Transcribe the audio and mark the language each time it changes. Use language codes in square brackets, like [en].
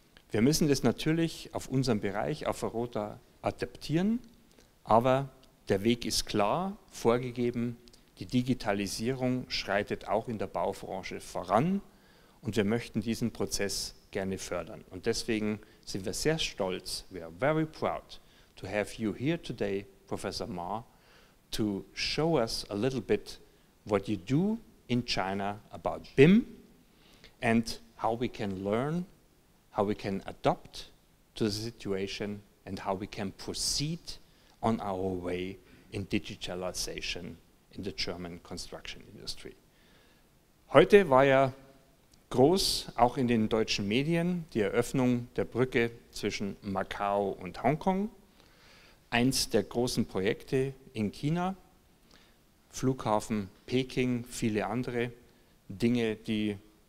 [de] Wir müssen das natürlich auf unserem Bereich, auf Europa, adaptieren, aber der Weg ist klar vorgegeben, die Digitalisierung schreitet auch in der Baubranche voran und wir möchten diesen Prozess gerne fördern. Und deswegen sind wir sehr stolz, [en] we are very proud to have you here today, Professor Ma, to show us a little bit what you do in China about BIM and how we can learn, how we can adapt to the situation and how we can proceed on our way in digitalization in the German construction industry. [de] Heute war ja groß, auch in den deutschen Medien, die Eröffnung der Brücke zwischen Macau und Hongkong. Eins der großen Projekte in China, Flughafen Peking, viele andere Dinge, die